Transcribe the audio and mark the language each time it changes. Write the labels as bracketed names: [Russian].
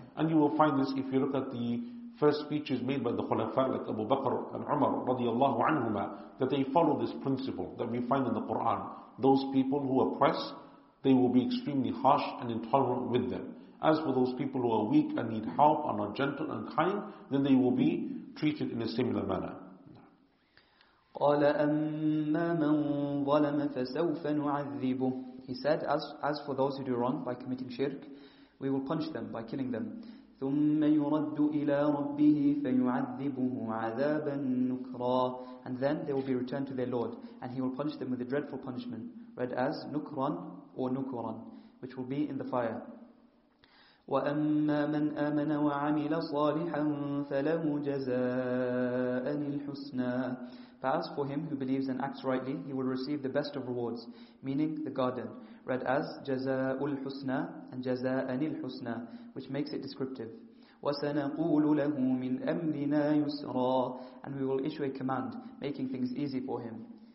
[English] And you will find this if you look at the first speeches made by the Khulafa, like Abu Bakr and Umar radiallahu anhuma, that they follow this principle that we find in the Qur'an. Those people who oppress, they will be extremely harsh and intolerant with them. As for those people who are weak and need help and are gentle and kind, then they will be treated in a similar manner. [Arabic] قال أما من ظلم فسوف نعذبه. [English] He said, as for those who do wrong by committing shirk, we will punish them by killing them. [Arabic] ثم يرد إلى ربه فيعذبه عذابا نكرا. [English] And then they will be returned to their Lord, and he will punish them with a dreadful punishment, read as [Arabic] نكرا [English] or نكرا, which will be in the fire. [Arabic] وأما من آمن وعمل صالحا فله جزاء الحسنى. [English] As for him who believes and acts rightly, he will receive the best of rewards, meaning the garden, read as Jaza'ul Husna and Jaza'anil Husna, which makes it descriptive. [Arabic] وَسَنَقُولُ لَهُ مِنْ أَمْرِنَا يُسْرًا, [English] and we will issue a command, making things easy for him.